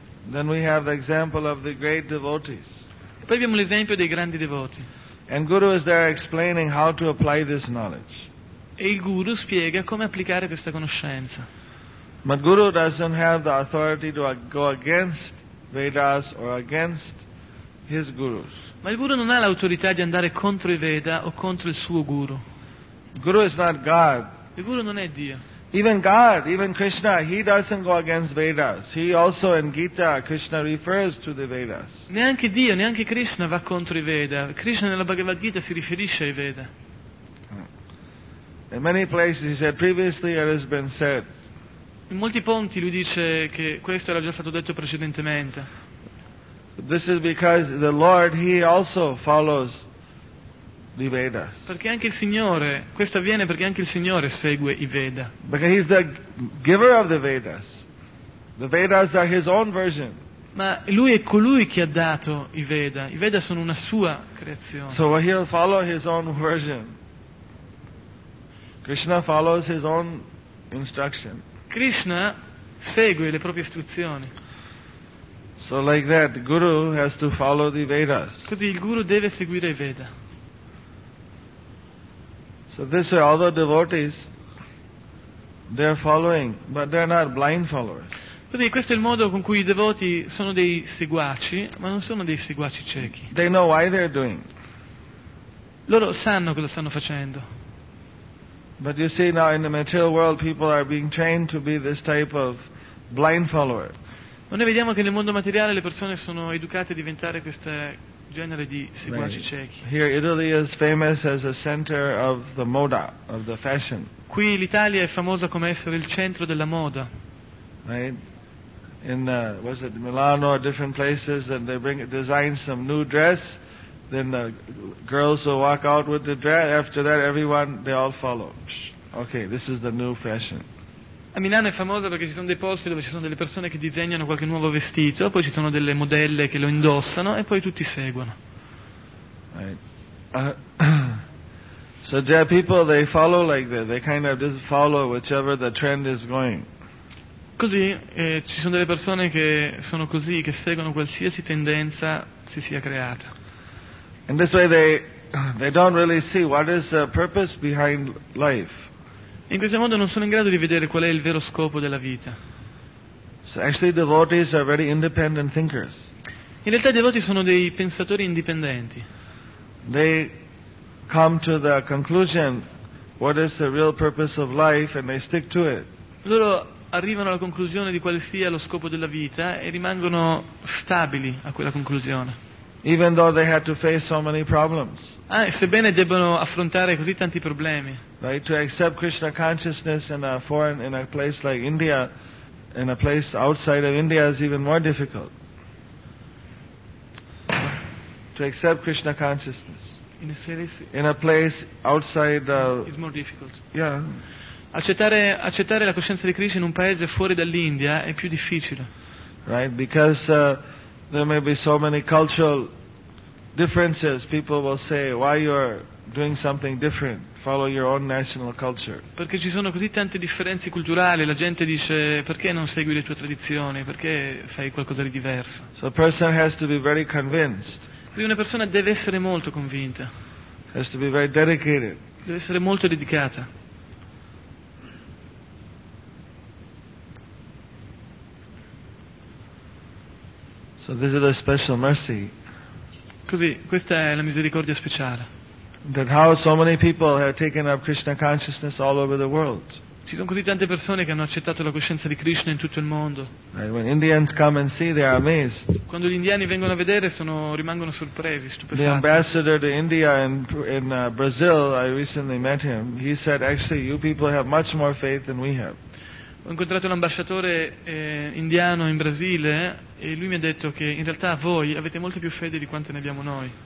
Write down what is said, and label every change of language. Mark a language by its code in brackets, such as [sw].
[en] Then we have the example of the great devotees. [it] E poi abbiamo l'esempio dei grandi devoti. [en] And Guru is there explaining how to apply this knowledge. [it] E il Guru spiega come applicare questa conoscenza. [en] But Guru doesn't have the authority to go against Vedas or against his gurus. [it] Ma il guru non ha l'autorità di andare contro i Veda o contro il suo guru. [en] Guru is not God. [it] Il guru non è Dio. [en] Even God, even Krishna, he doesn't go against Vedas. He also in Gita, Krishna refers to the Vedas. [it] Neanche Dio, neanche Krishna va contro i Veda. Krishna nella Bhagavad Gita si riferisce ai Veda. [en] In many places he said previously it has been said. [it] In molti punti lui dice che questo era già stato detto precedentemente. [en] This is because the Lord, he also follows the Vedas. [it] Perché anche il Signore, questo avviene perché anche il Signore segue i Veda. [en] Because he's the giver of the Vedas. The Vedas are his own version. [it] Ma lui è colui che ha dato i Veda. I Veda sono una sua creazione. [en] So he'll follow his own version. Krishna follows his own instruction. [it] Krishna segue le proprie istruzioni. [en] So like that, guru has to follow the Vedas. [it] Così il guru deve seguire i Veda. [en] So this way, all the devotees, they're following, but they're not blind followers. [it] Così questo è il modo con cui i devoti sono dei seguaci, ma non sono dei seguaci ciechi. [en] They know why they're doing. [it] Loro sanno cosa stanno facendo. [en] But you see now, in the material world, people are being trained to be this type of blind follower. [it] Ma noi vediamo che nel mondo materiale le persone sono educate a diventare questo genere di seguaci ciechi. [en] Here Italy is famous as a center of the moda, of the fashion. [it] Qui l'Italia è famosa come essere il centro della moda. [en] Right? In was it Milano or different places, and they bring design some new dress, then the girls will walk out with the dress. After that, everyone they all follow. Okay, this is the new fashion. [it] A Milano è famosa perché ci sono dei posti dove ci sono delle persone che disegnano qualche nuovo vestito, poi ci sono delle modelle che lo indossano e poi tutti seguono. [en] Right. So there are people they follow like that, they kind of just follow whichever the trend is going. [it] Così ci sono delle persone che sono così, che seguono qualsiasi tendenza si sia creata. [en] In this way they don't really see what is the purpose behind life. [it] In questo modo non sono in grado di vedere qual è il vero scopo della vita. [en] So actually, devotees are very independent thinkers. [it] In realtà i devoti sono dei pensatori indipendenti. [en] They come to the conclusion what is the real purpose of life and they stick to it. [it] Loro arrivano alla conclusione di quale sia lo scopo della vita e rimangono stabili a quella conclusione. [en] Even though they had to face so many problems. [it] Ah, sebbene debbano affrontare così tanti problemi. [en] Right, to accept Krishna consciousness in a foreign, in a place like India, in a place outside of India is even more difficult. To accept Krishna consciousness in a place outside is more difficult. Yeah. [it] Accettare la coscienza di Krishna in un paese fuori dall'India è più difficile. [en] Right, because there may be so many cultural differences. People will say, "Why you are doing something different? Follow your own national culture." [it] Perché ci sono così tante differenze culturali, la gente dice, "Perché non segui le tue tradizioni? Perché fai qualcosa di diverso?" [en] So a person has to be very convinced. [it] Quindi una persona deve essere molto convinta. [en] Has to be very dedicated. [it] Deve essere molto dedicata. [en] So this is a special mercy. [it] Così, questa è la misericordia speciale. [en] That how so many people have taken up Krishna consciousness all over the world. [it] Ci sono così tante persone che hanno accettato la coscienza di Krishna in tutto il mondo. [en] And when Indians come and see, they are amazed. [it] Quando gli indiani vengono a vedere, rimangono sorpresi, stupefatti. [en] The ambassador to India in Brazil, I recently met him. He said, "Actually, you people have much more faith than we have." [it] Ho incontrato l'ambasciatore indiano in Brasile e lui mi ha detto che in realtà voi avete molto più fede di quante ne abbiamo noi.